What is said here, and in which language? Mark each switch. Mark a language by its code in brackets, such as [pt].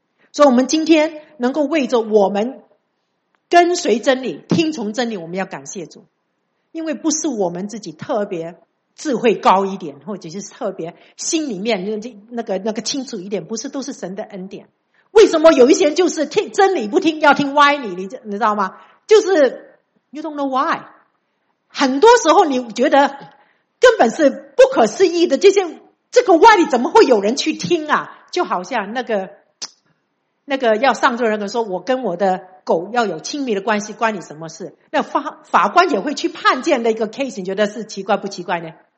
[zh] 所以我们今天能够为着我们跟随真理听从真理，我们要感谢主，因为不是我们自己特别智慧高一点，或者是特别心里面那个清楚一点，不是，都是神的恩典。为什么有一些人就是听真理不听，要听歪理，你知道吗？就是 [en] you don't know why。 [zh] 很多时候你觉得根本是不可思议的，这个歪理怎么会有人去听啊？就好像那个要上座的人说，我跟我的狗要有亲密的关系，关你什么事？那法官也会去判见的一个 case， 你觉得是奇怪不奇怪呢？